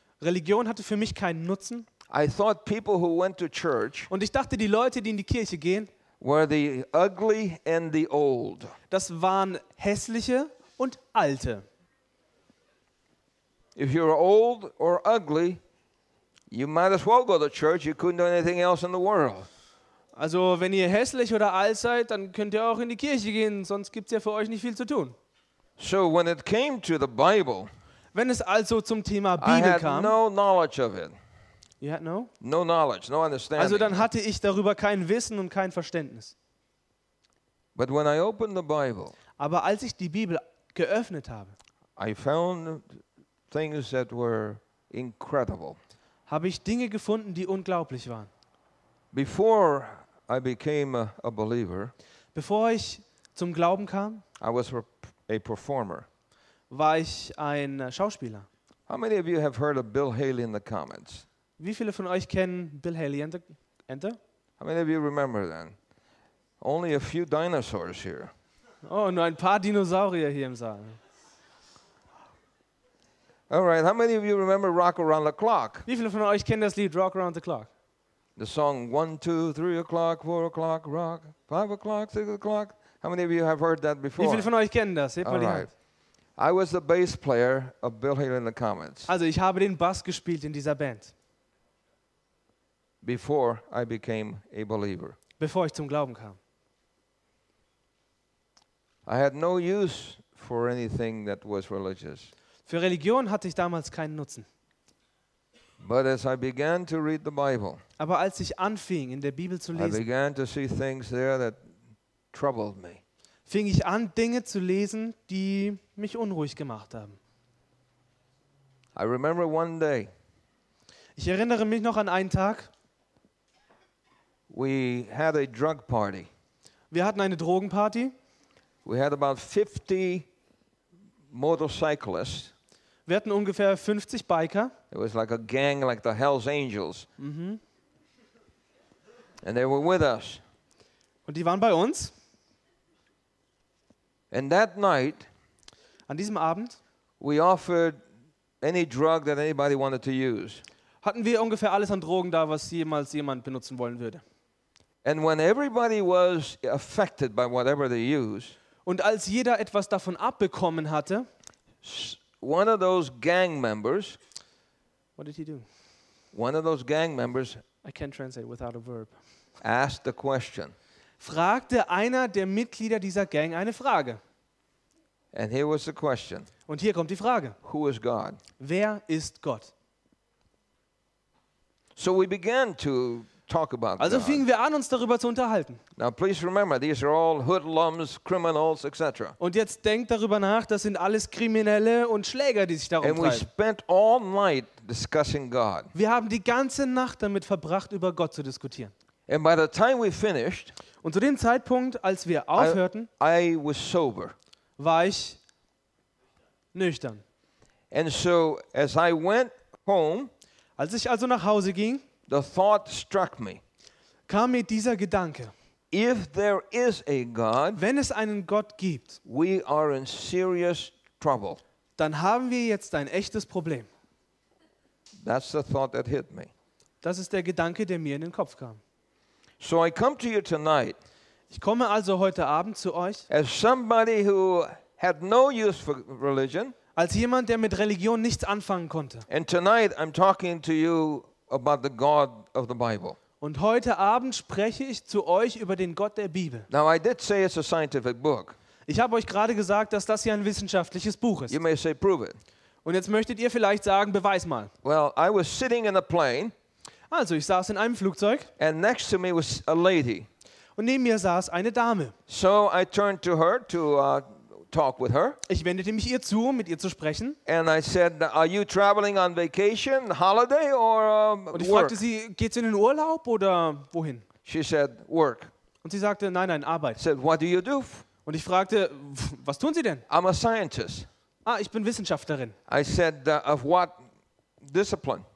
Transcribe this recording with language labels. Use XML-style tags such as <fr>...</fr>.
<de>Religion hatte für mich keinen Nutzen.</de> <en>I thought people who went to church.</en> <de>Und ich dachte, die Leute, die in die Kirche gehen,</de> <en>were the ugly and the old.</en> <de>Das waren hässliche und alte.</de> <en>If you're old or ugly, you might as well go to church. You couldn't do anything else in the world.</en> <de>Also, wenn ihr hässlich oder alt seid, dann könnt ihr auch in die Kirche gehen. Sonst gibt's ja für euch nicht viel zu tun.</de> <en>So, when it came to the Bible,</en> <de>wenn es also zum Thema Bibel kam,</de> <en>I had no knowledge of it. You had no? No knowledge, no understanding.</en> <de>Also, dann hatte ich darüber kein Wissen und kein Verständnis.</de> <en>But when I opened the Bible,</en> <de>aber als ich die Bibel geöffnet habe,</de> <en>I found things that were incredible.</en> <de>Habe ich Dinge gefunden, die unglaublich waren.</de> <en>Before I became a believer,</en> <de>bevor ich zum Glauben kam,</de> <en>I was a performer.</en> <de>War ich ein Schauspieler.</de> <en>How many of you have heard of Bill Haley in the comments?</en> <de>Wie viele von euch kennen Bill Haley enter?</de> <en>How many of you remember then? Only a few dinosaurs here.</en> <de>Oh, nur ein paar Dinosaurier hier im Saal.</de> <en>All right, how many of you remember Rock Around the Clock?</en> <de>Wie viele von euch kennen das Lied Rock Around the Clock?</de> <en>The song 1, 2, 3 o'clock, 4 o'clock, rock, 5 o'clock, 6 o'clock. How many of you have heard that before?</en> <de>Wie viele von euch kennen das? Hebt mal die Hand.</de> <en>I was the bass player of Bill Haley in the Comets.</en> <de>Also ich habe den Bass gespielt in dieser Band.</de> <en>Before I became a believer.</en> <de>Bevor ich zum Glauben kam.</de> <en>I had no use for anything that was religious.</en> <de>Für Religion hatte ich damals keinen Nutzen.</de> <en>But as I began to read the Bible,</en> <de>aber als ich anfing, in der Bibel zu lesen,</de> <en>I began to see things there that troubled me.</en> <de>Fing ich an, Dinge zu lesen, die mich unruhig gemacht haben.</de> <en>I remember one day,</en> <de>ich erinnere mich noch an einen Tag.</de> <en>We had a drug party.</en> <de>Wir hatten eine Drogenparty.</de> <en>We had about 50 motorcyclists.</en> <de>Wir hatten ungefähr 50 Biker.</de> <en>It was like a gang, like the Hell's Angels. Mm-hmm. And they were with us.</en> <de>Und die waren bei uns.</de> <en>And that night,</en> <de>an diesem Abend,</de> <en>we offered any drug that anybody wanted to use.</en> <de>Hatten wir ungefähr alles an Drogen da, was jemals jemand benutzen wollen würde.</de> <en>And when everybody was affected by whatever they used,</en> <de>und als jeder etwas davon abbekommen hatte,</de> <en>one of those gang members, what did he do? One of those gang members, I can't translate without a verb, asked the question,</en> <de>fragte einer der Mitglieder dieser Gang eine Frage.</de> <en>And here was the question.</en> <de>Und hier kommt die Frage.</de> <en>Who is God?</en> <de>Wer ist Gott?</de> <en>So we began to talk about</en> <de>also fingen wir an, uns darüber zu unterhalten.</de> <en>Now please remember, these are all hoodlums, criminals, etc.</en> <de>Und jetzt denkt darüber nach, das sind alles Kriminelle und Schläger, die sich darum treiben.</de> <en>And we spent all night discussing God.</en> <de>Wir haben die ganze Nacht damit verbracht, über Gott zu diskutieren.</de> <en>And by the time we finished,</en> <de>und zu dem Zeitpunkt, als wir aufhörten,</de> <en>I was sober.</en> <de>War ich nüchtern.</de> <en>And so, as I went home,</en> <de>als ich also nach Hause ging,</de> <en>the thought struck me,</en> <de>kam mir dieser Gedanke,</de> <en>if there is a God,</en> <de>wenn es einen Gott gibt,</de> <en>we are in serious trouble.</en> <de>Dann haben wir jetzt ein echtes Problem.</de> <en>That's the thought that hit me.</en> <de>Das ist der Gedanke, der mir in den Kopf kam.</de> <en>So I come to you tonight.</en> <de>Ich komme also heute Abend zu euch.</de> <en>As somebody who had no use for religion.</en> <de>Als jemand, der mit Religion nichts anfangen konnte.</de> <en>And tonight I'm talking to you about the God of the Bible.</en> <de>Und heute Abend spreche ich zu euch über den Gott der Bibel.</de> <en>Now I did say it's a scientific book.</en> <de>Ich habe euch gerade gesagt, dass das hier ein wissenschaftliches Buch ist.</de> <en>You may say prove it.</en> <de>Und jetzt möchtet ihr vielleicht sagen, beweis mal.</de> <en>Well, I was sitting in a plane.</en> <de>Also, ich saß in einem Flugzeug.</de> <en>And next to me was a lady.</en> <de>Und neben mir saß eine Dame.</de> <en>So I turned to her to talk with her.</en> <de>Ich wendete mich ihr zu, um mit ihr zu sprechen.</de> <en>And I said, are you traveling on vacation, holiday or work?</en> <de>Und ich fragte sie, geht's in den Urlaub oder wohin?</de> <en>She said, work.</en> <de>Und sie sagte, nein, nein, Arbeit.</de> <en>Said, what do you do?</en> <de>Und ich fragte, was tun Sie denn?</de> <en>I'm a scientist.</en> <de>Ah, ich bin Wissenschaftlerin.</de> <en>I said, of what discipline?</en>